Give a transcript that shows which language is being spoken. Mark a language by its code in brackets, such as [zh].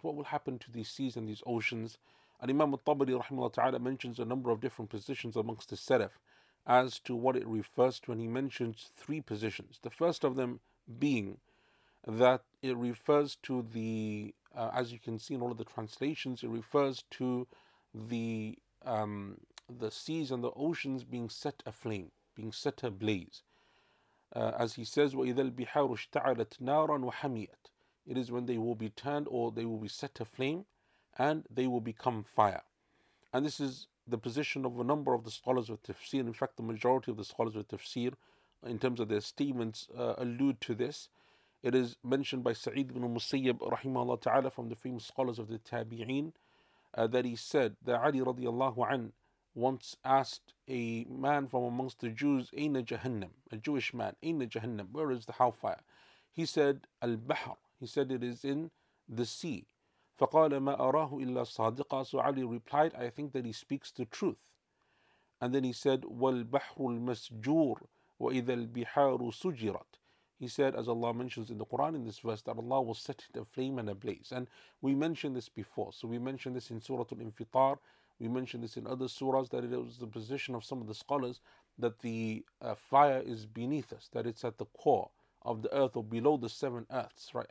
[en] What will happen to these seas and these oceans? And Imam al-Tabari rahimahullah ta'ala mentions a number of different positions amongst the Salaf as to what it refers to, and he mentions three positions. The first of them being that it refers to the, as you can see in all of the translations, it refers to the seas and the oceans being set aflame, being set ablaze. As he says, [ar] وَإِذَا الْبِحَارُ اشْتَعَلَتْ نَارًا وَحَمِيَتْ. [en] It is when they will be turned, or they will be set aflame, and they will become fire. And this is the position of a number of the scholars of tafsir. In fact, the majority of the scholars of tafsir, in terms of their statements, allude to this. It is mentioned by Sa'id ibn Musayyib, rahimahullah ta'ala, from the famous scholars of the Tabi'een, that he said that Ali radiallahu anhu once asked a man from amongst the Jews, [ar] Aina Jahannam, [en] a Jewish man, Aina Jahannam, where is the hellfire? He said, Al-Bahr. He said, it is in the sea. [ar] فَقَالَ مَا أَرَاهُ إِلَّا صَادِقًا. [en] So Ali replied, I think that he speaks the truth. And then he said, [ar] وَالْبَحْرُ الْمَسْجُورُ وَإِذَا الْبِحَارُ سُجِرَتْ. [en] He said, as Allah mentions in the Quran in this verse, that Allah will set it aflame and ablaze. And we mentioned this before. So we mentioned this in Surah Al-Infitar. We mentioned this in other surahs, that it was the position of some of the scholars that the fire is beneath us, that it's at the core of the earth or below the seven earths, right?